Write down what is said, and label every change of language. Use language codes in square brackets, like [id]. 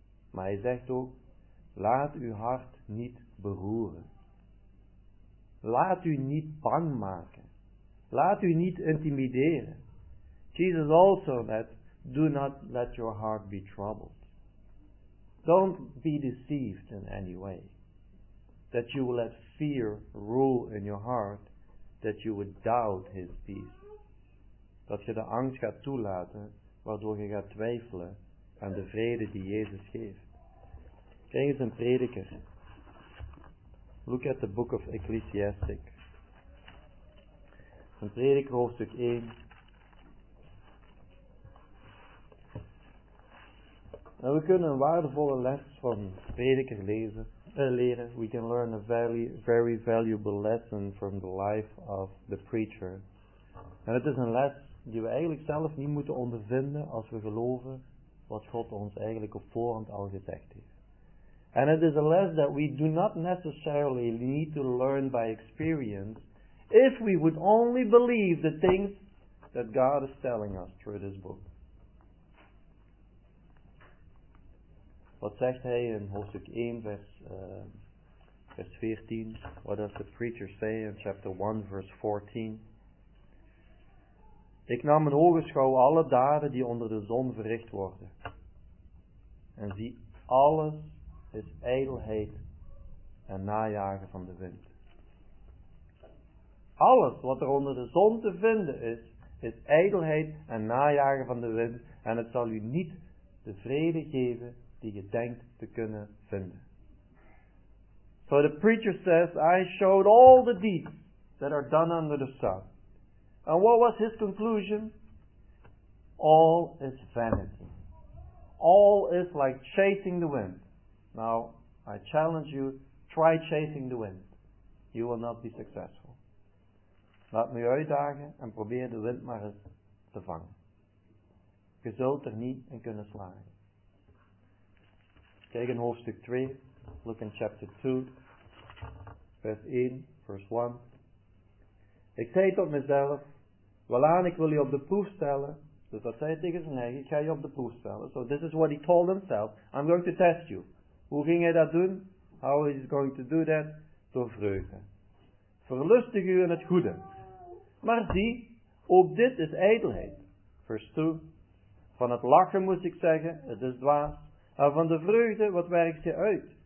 [nl] Maar hij zegt ook, laat uw hart niet beroeren. Laat u niet bang maken. Laat u niet intimideren. [en] Jesus also said, do not let your heart be troubled. Don't be deceived in any way, that you will let fear rule in your heart, that you would doubt his peace. [nl] Dat je de angst gaat toelaten, waardoor je gaat twijfelen aan de vrede die Jezus geeft. Kijk eens een prediker. [en] Look at the book of Ecclesiastes. [nl] Een prediker hoofdstuk 1. En we kunnen een waardevolle les van prediker lezen leren. [en] We can learn a very, very valuable lesson from the life of the preacher. [nl] En het is een les die we eigenlijk zelf niet moeten ondervinden als we geloven wat God ons eigenlijk op voorhand al gezegd heeft. [en] And it is a lesson that we do not necessarily need to learn by experience if we would only believe the things that God is telling us through this book. [nl] Wat zegt hij in hoofdstuk 1, vers 14? [en] What does the preacher say in chapter 1, verse 14? [nl] Ik nam in oogenschouw alle daden die onder de zon verricht worden. En zie, alles is ijdelheid en najagen van de wind. Alles wat er onder de zon te vinden is, is ijdelheid en najagen van de wind. En het zal u niet de vrede geven die je denkt te kunnen vinden. [en] So the preacher says, I showed all the deeds that are done under the sun. And what was his conclusion? All is vanity. All is like chasing the wind. Now, I challenge you, try chasing the wind. You will not be successful. [nl] Laat me uitdagen en probeer de wind maar eens te vangen. Je zult er niet in kunnen slagen. Kijk in hoofdstuk 3, [en] look in chapter 2, [nl] vers 1, vers 1. Ik zei tot mezelf, welaan, ik wil je op de proef stellen. Dus dat zei hij tegen zijn eigen, ik ga je op de proef stellen. [en] So this is what he told himself, I'm going to test you. [nl] Hoe ging hij dat doen? [en] How is he going to do that? [nl] Door vreugde. Verlustig u in het goede. Maar zie, ook dit is ijdelheid. Vers 2. Van het lachen moest ik zeggen, het is dwaas. En van de vreugde, wat werkt je uit?